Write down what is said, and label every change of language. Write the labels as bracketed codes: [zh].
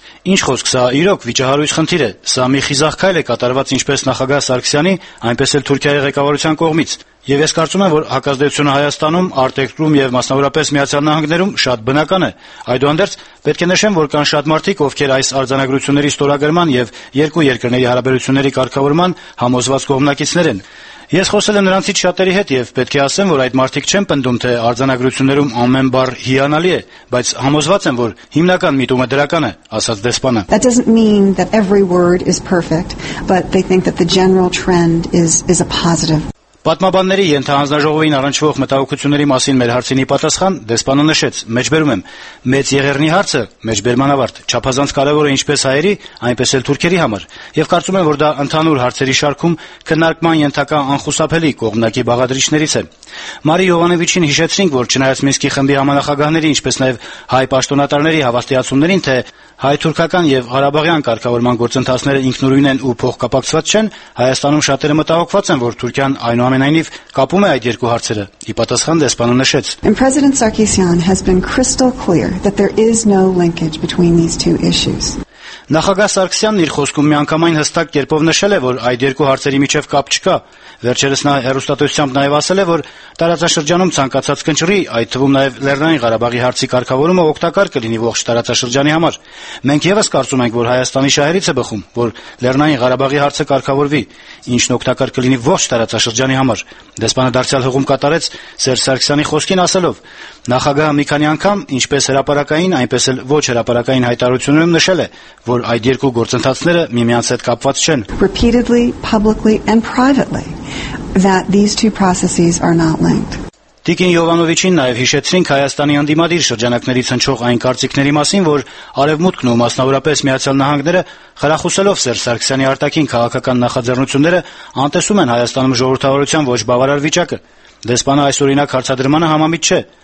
[hy] Ինչ խոսք, սա իրոք վիճահարույց խնդիր է։ Սա մի խիզախ քայլ է կատարված ինչպես նախագահ Սարգսյանի, այնպես էլ Թուրքիայի ղեկավարության կողմից։ Եվ ես կարծում եմ, որ հակազդեցությունը Հայաստանում, արտերկրում եւ մասնավորապես Միացյալ Նահանգներում շատ բնական է։ Այդուհանդերձ, պետք է նշեմ, որ կան շատ մարդիկ, ովքեր այս արձանագրությունների ստորագրման եւ երկու երկրների հարաբերությունների կարգավորման համոզված կողմնակիցներ են։ Ես խոսել եմ նրանցից շատերի հետ եւ պետք է ասեմ, որ այդ մարդիկ չեն պնդում, թե արձանագրություններում ամեն բառ հիանալի է, բայց համոզված եմ, որ հիմնական միտումը դրական է, ասաց դեսպանը։ [en] That doesn't mean that every word is perfect, but they think that the general trend is a positive. [hy] Պատմաբանների ենթահանձնաժողովին առնչվող մտահոգությունների մասին մեր հարցինի պատասխան դեսպանը նշեց. Մեջբերում եմ, մեծ եղերնի հարցը մեջբերման ավարտ չափազանց կարևոր է ինչպես հայերի, այնպես էլ թուրքերի համար, եւ կարծում եմ, որ դա ընդհանուր հարցերի շարքում քննարկման ենթակա անխուսափելի կողմնակի բաղադրիչներից է։ Մարի Յովանովիչին հիշեցրինք, որ չնայած Մինսկի խմբի համանախագահների, ինչպես նաեւ հայ պաշտոնատարների հավաստիացումներին, թե հայ-թուրքական եւ Ղարաբաղյան կարգավորման գործընթացները ինքնուրույն են ու փոխկապակցված չեն, Հայաստանում շատերը մտահոգված են, որ Թուրքիան այնուամենայնիվ կապում է այդ երկու հարցերը, ի պատասխան դեսպանը նշեց. [en] President Sarkisian has been crystal clear that there is no linkage between these two issues. [hy] Նախագահ Սարգսյանն իր խոսքում միանգամայն հստակ կերպով նշել է, որ այդ երկու հարցերի միջև կապ չկա։ Վերջերս նա հեռուստատեսությամբ նաև ասել է, որ տարածաշրջանում ցանկացած կնճռի, այդ թվում նաև Լեռնային Ղարաբաղի հարցի կարգավորումը օգտակար կլինի ողջ տարածաշրջանի համար։ Մենք եւս կարծում ենք, որ Հայաստանի շահերից է բխում, որ Լեռնային Ղարաբաղի հարցը կարգավորվի, ինչն օգտակար կլինի ողջ տարածաշրջանի համար։ Դեսպանը դարձյալ հողում կատարեց Սերժ Սարգսյանի խոսքին ասելով. Նախագահը մի քանի անգամ, ինչպես հրապարակային, այնպես էլ ոչ հրապարակային հայտարարություններում նշել է, որ այդ երկու գործընթացները միմյանց հետ կապված չեն. [en] Repeatedly, publicly and privately, that these two processes are not linked. [hy] Տիկին Յովանովիչին նաև հիշեցրինք Հայաստանի անդիմադիր շրջանակներից հնչող այն կարծիքների մասին, որ Արևմուտքն ու մասնավորապես Միացյալ Նահանգները, խրախուսելով Սերժ Սարգսյանի արտաքին քաղաքական նախաձեռնությունները, անտեսում են Հայաստանում ժողովրդավարության ոչ բավարար վիճակը։ Դեսպանը այս օրինակ հարցադրմանը համամիտ չէ.